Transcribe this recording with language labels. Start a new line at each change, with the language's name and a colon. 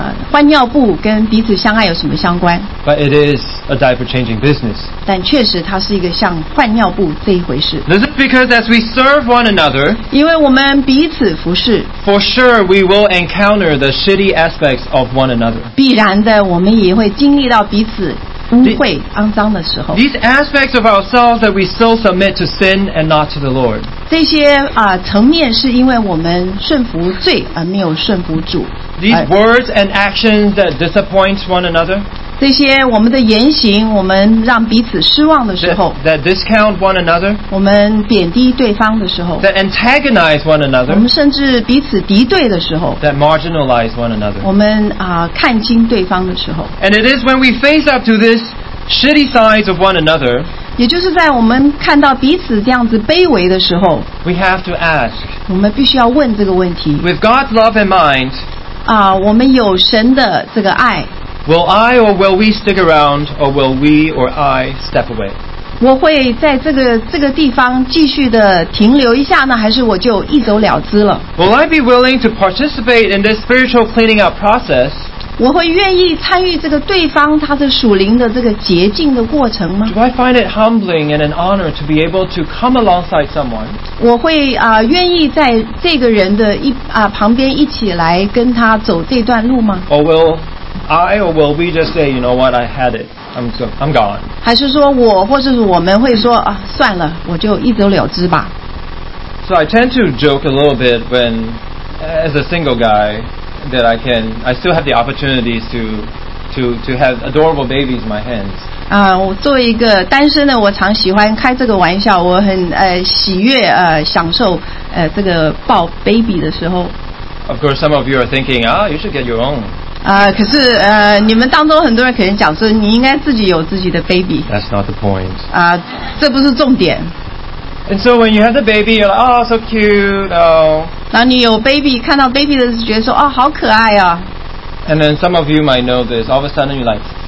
Chinese: 换尿布跟彼此相爱有什么相关？
English: But it is a diaper changing business.
Chinese: 但确实它是一个像换尿布这一回事。
English: This is because as we serve one another,
Chinese: 因为我们彼此服侍，
English: For sure we will encounter the shitty aspects of one another.
Chinese: 必然的，我们也会经历到彼此污秽肮脏的时候。
English: These aspects of ourselves that we still submit to sin and not to the Lord.
Chinese: 这些层面是因为我们顺服罪而没有顺服主。
English: These words and actions that disappoint one another.
Chinese: 这些我们的言行，我们让彼此失望的时候。
English: That discount one another.
Chinese: 我们贬低对方的时候。
English: That antagonize one another.
Chinese: 我们甚至彼此敌对的时候。
English: That marginalize one another.
Chinese: 我们看轻对方的时候。
English: And it is when we face up to this shitty sides of one another.
Chinese: 也就是在我们看到彼此这样子卑微的时候。
English: We have to ask.
Chinese: 我们必须要问这个问题。
English: With God's love in mind.
Chinese: 我们有神的这个爱。
English: Will I or will we stick around or will we or I step away?
Chinese: 我会在这个地方继续的停留一下呢，还是我就一走了之了？
English: Will I be willing to participate in this spiritual cleaning up process?
Chinese: 我会愿意参与这个对方他的属灵的这个洁净的过程吗？
English: Do I find it humbling and an honor to be able to come alongside someone?
Chinese: 我会愿意在这个人的旁边一起来跟他走这段路吗？
English: Or will I or will we just say, you know what, I had it, I'm gone?
Chinese: 还是说我或者是我们会说算了，我就一走了之吧。
English: So I tend to joke a little bit when, as a single guy,that I still have the opportunities to have adorable babies in my hands.
Chinese: 我作为一个单身的，我常喜欢开这个玩笑，我很喜悦享受这个抱 baby 的时候。
English: Of course, some of you are thinking, you should get your own.
Chinese: 可是你们当中很多人可能讲说，你应该自己有自己的 baby.
English: That's not the point.
Chinese: 这不是重点。
English: And so when you have the baby, you're like, oh, so cute, oh.
Chinese: 那你有 baby, 看到 baby 的时候觉得说，哦，好可爱啊。
English: And then some of you might know this. All of a sudden, you're like,